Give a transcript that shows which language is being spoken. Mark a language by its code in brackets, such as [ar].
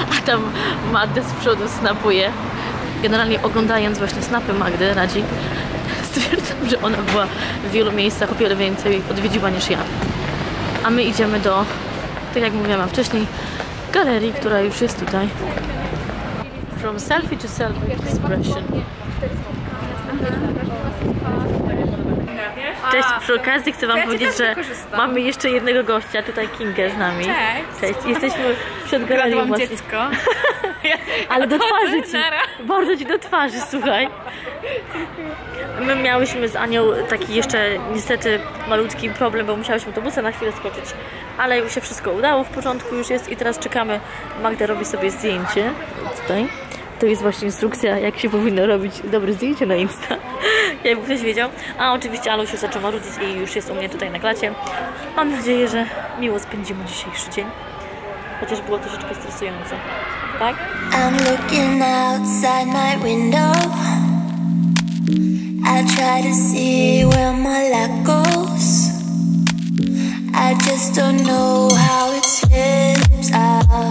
[pl] A tam Magda z przodu snapuje. Generalnie oglądając właśnie snapy Magdy radzi, stwierdzam, że ona była w wielu miejscach, o wiele więcej odwiedziła niż ja. A my idziemy do, tak jak mówiłam wcześniej, galerii, która już jest tutaj. [en] From selfie to self-expression. [pl] Cześć, przy okazji chcę wam powiedzieć, że mamy jeszcze jednego gościa, tutaj Kingę z nami. Cześć. Cześć, jesteśmy przed galerią właśnie. Ukradłam dziecko. Ale do twarzy ci, bardzo ci do twarzy, słuchaj. My miałyśmy z Anią taki jeszcze niestety malutki problem, bo musiałyśmy to busa na chwilę skoczyć. Ale już się wszystko udało, w porządku już jest i teraz czekamy. Magda robi sobie zdjęcie tutaj. To jest właśnie instrukcja, jak się powinno robić dobre zdjęcie na Insta. Jakby ktoś wiedział. A oczywiście Aluś już zaczęła rudzić i już jest u mnie tutaj na klacie. Mam nadzieję, że miło spędzimy dzisiejszy dzień. Chociaż było troszeczkę stresujące. Tak? [en] I'm looking outside my window. I try to see where my luck goes. I just don't know how it slips up.